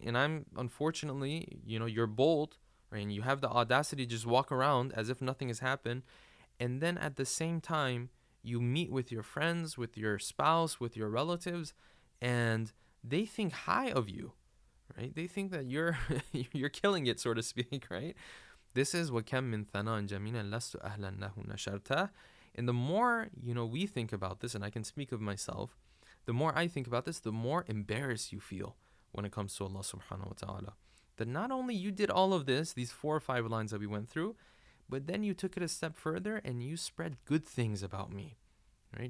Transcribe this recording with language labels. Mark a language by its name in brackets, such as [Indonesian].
[English] And I'm, unfortunately, you know, you're bold. Right, and you have the audacity to just walk around as if nothing has happened. And then at the same time, you meet with your friends, with your spouse, with your relatives, and they think high of you, right? They think that you're you're killing it, so to speak, right? This is [Arabic] وَكَمْ مِنْ ثَنَاءٍ جَمِيلٍ لَسْتُ أَهْلًا لَهُ نَشَرْتَ. [English] And the more, you know, we think about this, and I can speak of myself, the more I think about this, the more embarrassed you feel when it comes to Allah subhanahu wa ta'ala. That not only you did all of this, these four or five lines that we went through, but then you took it a step further and you spread good things about me. Right?